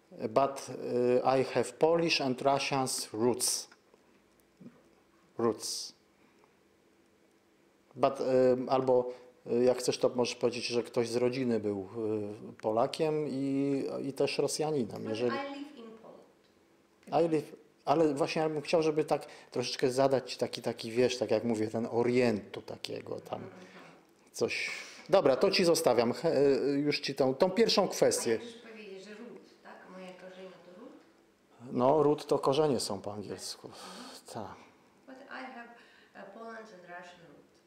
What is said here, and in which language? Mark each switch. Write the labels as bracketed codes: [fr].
[en] But I have Polish and Russian roots. Roots. But [pl] albo jak chcesz, to możesz powiedzieć, że ktoś z rodziny był Polakiem i też Rosjaninem. Jeżeli... [en] I live in Poland. [pl] Ale właśnie ja bym chciał, żeby tak troszeczkę zadać taki wiesz, tak jak mówię, ten orientu takiego tam. Coś. Dobra, to ci zostawiam. Już ci tą pierwszą kwestię. A ja powiedzieć, że root, tak? Moje korzenie to root? No, root to korzenie są po angielsku. Tak. [en] But I have a Polish and Russian root.